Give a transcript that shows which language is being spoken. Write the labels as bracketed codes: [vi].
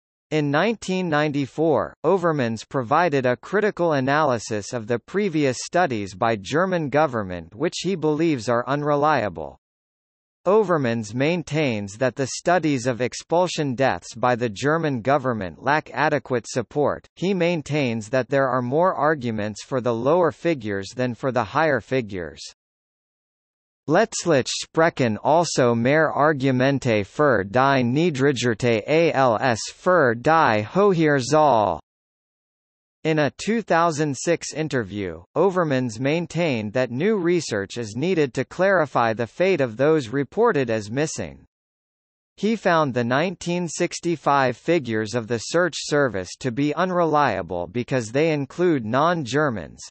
[en] In 1994, Overmans provided a critical analysis of the previous studies by German government which he believes are unreliable. Overmans maintains that the studies of expulsion deaths by the German government lack adequate support. He maintains that there are more arguments for the lower figures than for the higher figures. [de] Letztlich sprechen also mehr Argumente für die niedrigerte als für die höhere Zahl. [en] In a 2006 interview, Overmans maintained that new research is needed to clarify the fate of those reported as missing. He found the 1965 figures of the search service to be unreliable because they include non-Germans.